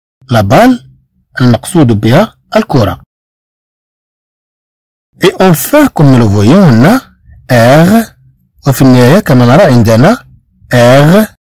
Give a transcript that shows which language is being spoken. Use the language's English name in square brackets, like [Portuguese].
[French] La balle, [Arabic] المقصود بها الكرة. [French] Et enfin, comme nous le voyons, on a R. [Arabic] وفي النهاية كما نرى عندنا R.